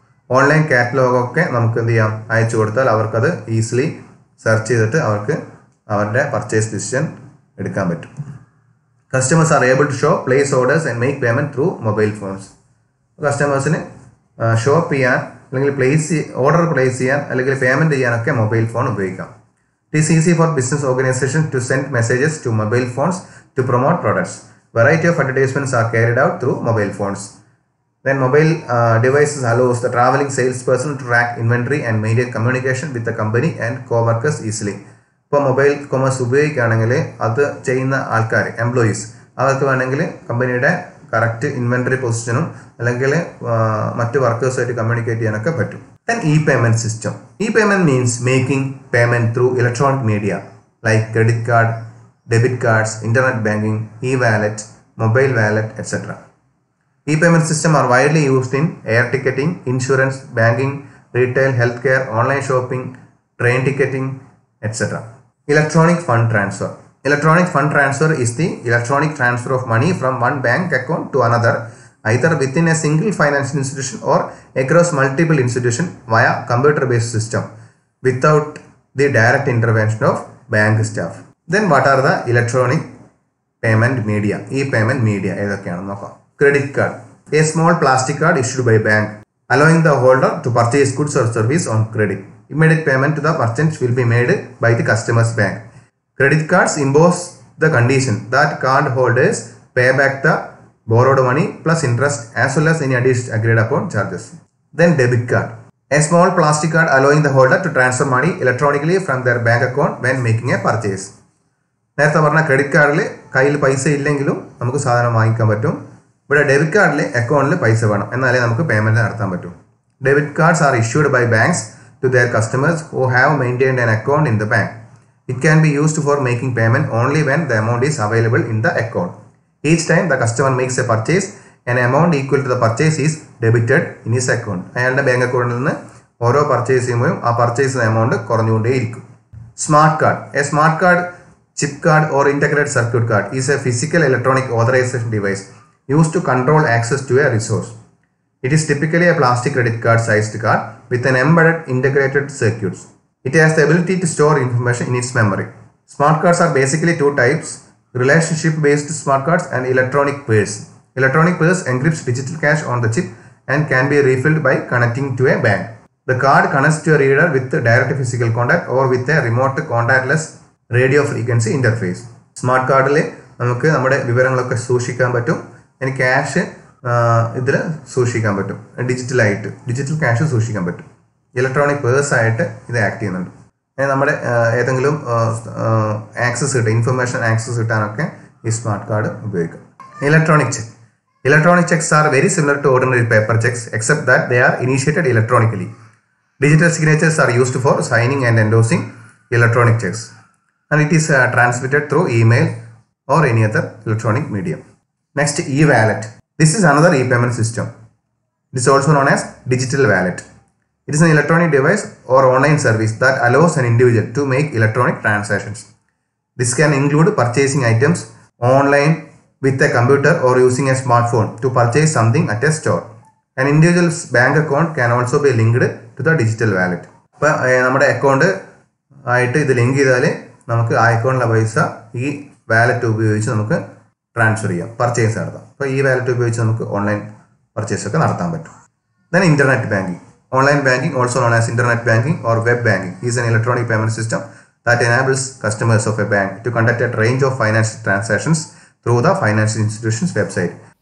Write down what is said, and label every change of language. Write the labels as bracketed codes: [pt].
[ml] Online കാറ്റലോഗൊക്കെ നമുക്ക് എന്ത് ചെയ്യാം, അയച്ചു കൊടുത്താൽ അവർക്കത് ഈസിലി സെർച്ച് ചെയ്തിട്ട് അവർക്ക് അവരുടെ പർച്ചേസ് ഡിസിഷൻ എടുക്കാൻ പറ്റും. [en] Customers are able to show place orders and make payment through mobile phones. [ml] കസ്റ്റമേഴ്സിന് ഷോപ്പ് ചെയ്യാൻ അല്ലെങ്കിൽ ഓർഡർ പ്ലേസ് ചെയ്യാൻ അല്ലെങ്കിൽ പേയ്മെൻറ്റ് ചെയ്യാനൊക്കെ മൊബൈൽ ഫോൺ ഉപയോഗിക്കാം. [en] It is easy for business organizations to send messages to mobile phones to promote products. Variety of advertisements are carried out through mobile phones. Then mobile devices allows the traveling salesperson to track inventory and maintain communication with the company and co-workers easily. [ml] ഇപ്പോൾ mobile commerce ഉപയോഗിക്കുകയാണെങ്കിൽ അത് ചെയ്യുന്ന ആൾക്കാർ employees അവർക്ക് വേണമെങ്കിൽ കമ്പനിയുടെ correct inventory പൊസിഷനും അല്ലെങ്കിൽ മറ്റ് വർക്കേഴ്സുമായിട്ട് കമ്മ്യൂണിക്കേറ്റ് ചെയ്യാനൊക്കെ പറ്റും. [en] Then e payment system. E payment means making payment through electronic media like credit card, debit cards, internet banking, e wallet, mobile wallet etcetera. E payment system are widely used in air ticketing, insurance, banking, retail, health care, online shopping, train ticketing etc. Electronic fund transfer. Electronic fund transfer is the electronic transfer of money from one bank account to another, either within a single financial institution or across multiple institutions via computer-based system without the direct intervention of bank staff. Then what are the electronic payment media? E-payment media. Credit card. A small plastic card issued by bank, allowing the holder to purchase goods or service on credit. Immediate payment to the merchant will be made by the customer's bank. Credit cards impose the condition that card holders pay back the borrowed money plus interest as well as any additional agreed upon charges. Then debit card. A small plastic card allowing the holder to transfer money electronically from their bank account when making a purchase. [ml] നേരത്തെ പറഞ്ഞ credit കാർഡിൽ കയ്യിൽ പൈസ ഇല്ലെങ്കിലും നമുക്ക് സാധനം വാങ്ങിക്കാൻ പറ്റും. ഇവിടെ ഡെബിറ്റ് കാർഡിൽ അക്കൗണ്ടിൽ പൈസ വേണം, എന്നാലേ നമുക്ക് പേയ്മെൻറ്റ് നടത്താൻ പറ്റും. [en] Debit cards are issued by banks to their customers who have maintained an account in the bank. It can be used for making payment only when the amount is available in the account. Each time the customer makes a purchase, an amount equal to the purchase is debited in his account. [ml] അയാളുടെ bank അക്കൗണ്ടിൽ നിന്ന് ഓരോ purchase ചെയ്യുമ്പോഴും ആ purchase amount കുറഞ്ഞുകൊണ്ടേയിരിക്കും. Smart card. [en] A smart card, chip card or integrated circuit card is a physical electronic authorisation device use to control access to a resource. It is typically a plastic credit card sized card with an embedded integrated circuits. It has the ability to store information in its memory. Smart cards are basically two types, relationship based smart cards and electronic purse. Electronic purse encrypts digital cash on the chip and can be refilled by connecting to a bank. The card connects to a reader with direct physical contact or with a remote contactless radio frequency interface. [ml] Smart card le namukku nammade vivarangalokke sooshikkan pattum and cash ഇതിൽ സൂക്ഷിക്കാൻ പറ്റും. ഡിജിറ്റലായിട്ട് digital cash സൂക്ഷിക്കാൻ പറ്റും. Electronic purse ആയിട്ട് ഇത് act ചെയ്യുന്നുണ്ട്. നമ്മുടെ ഏതെങ്കിലും ആക്സസ് കിട്ടാൻ, ഇൻഫർമേഷൻ ആക്സസ് കിട്ടാനൊക്കെ ഈ സ്മാർട്ട് കാർഡ് ഉപയോഗിക്കാം. Electronic check. [en] Electronic cheques are very similar to ordinary paper cheques except that they are initiated electronically. Digital signatures are used for signing and endorsing electronic cheques and it is transmitted through email or any other electronic medium. Next, e wallet. This is another e-payment system. It is also known as digital wallet. It is an electronic device or online service that allows an individual to make electronic transactions. This can include purchasing items online with a computer or using a smartphone to purchase something at a store. An individual's bank account can also be linked to the digital wallet. [ml] നമ്മുടെ account ആയിട്ട് ഇത് link ചെയ്താൽ നമുക്ക് ആ അക്കൗണ്ടിലെ പൈസ ഈ wallet ഉപയോഗിച്ച് നമുക്ക് ട്രാൻസ്ഫർ ചെയ്യാം, പർച്ചേസ് നടത്താം. അപ്പോൾ ഈ വാലറ്റ് ഉപയോഗിച്ച് നമുക്ക് ഓൺലൈൻ പർച്ചേസ് ഒക്കെ നടത്താൻ പറ്റും. Then internet banking. [en] Online banking also known as internet banking or web banking is an electronic payment system that enables customers of a bank to conduct a range of financial transactions through the financial institution's website.